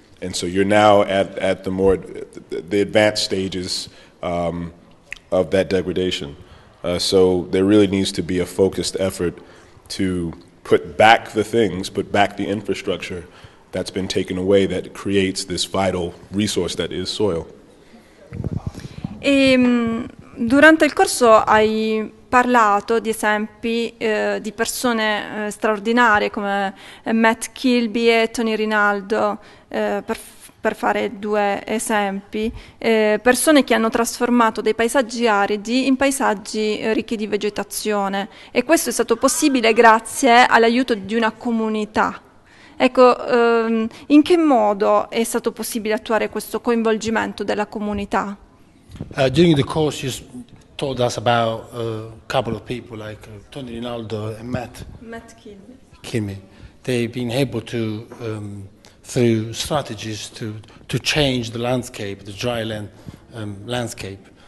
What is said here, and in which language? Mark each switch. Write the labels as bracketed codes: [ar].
[en] And so you're now at the more, the advanced stages of that degradation. So there really needs to be a focused effort to put back the infrastructure that's been taken away that creates this vital resource that is soil. [it] E, durante il corso hai parlato di esempi di persone straordinarie come Matt Kilby e Tony Rinaldo, per fare due esempi, persone che hanno trasformato dei paesaggi aridi in paesaggi ricchi di vegetazione. E questo è stato possibile grazie all'aiuto di una comunità. Ecco, in che modo è stato possibile attuare questo coinvolgimento della comunità? [en] During the course you told us about a couple of people like Tony Rinaldo and Matt Kimmy. They've been able to through strategies to change the landscape, the dry land landscape.